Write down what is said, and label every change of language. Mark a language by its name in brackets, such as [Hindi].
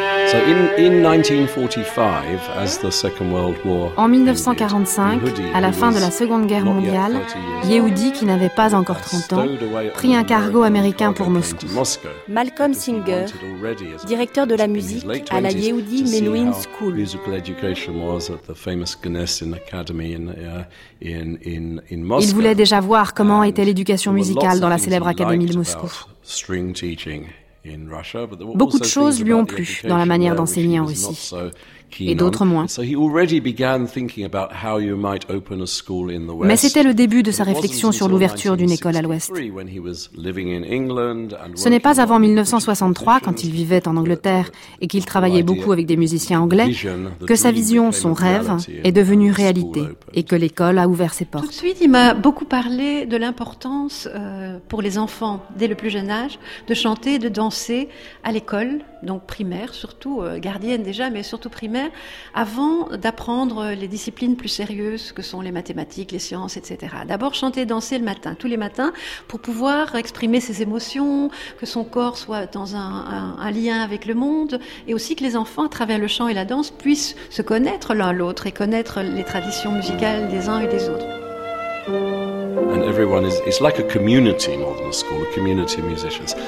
[English] So in 1945, as the Second World War, [French] en 1945, à la fin de la Seconde Guerre mondiale, Yehudi, qui n'avait pas encore 30 ans, prit un cargo américain pour Moscou. Malcolm Singer, directeur de la musique à la Yehudi Menuhin School. [English] Musical education was at the famous Gnesin Academy in Moscow. [French] Il voulait déjà voir comment était l'éducation musicale dans la célèbre académie de Moscou. [English] String teaching. In Russia, but [French] beaucoup de choses lui ont plu dans la manière d'enseigner en Russie. et d'autres moins. Mais c'était le début de sa réflexion sur l'ouverture d'une école à l'Ouest. Ce n'est pas avant 1963, quand il vivait en Angleterre et qu'il travaillait beaucoup avec des musiciens anglais, que sa vision, son rêve, est devenue réalité et que l'école a ouvert ses portes. Tout de suite, il m'a beaucoup parlé de l'importance pour les enfants, dès le plus jeune âge, de chanter et de danser à l'école, donc primaire, surtout gardienne déjà, mais surtout primaire, avant d'apprendre les disciplines plus sérieuses que sont les mathématiques, les sciences, etc. D'abord chanter et danser le matin, tous les matins, pour pouvoir exprimer ses émotions, que son corps soit dans un lien avec le monde, et aussi que les enfants, à travers le chant et la danse, puissent se connaître l'un l'autre et connaître les traditions musicales des uns et des autres. [English] And everyone is, it's like a community more than a school, a community of musicians.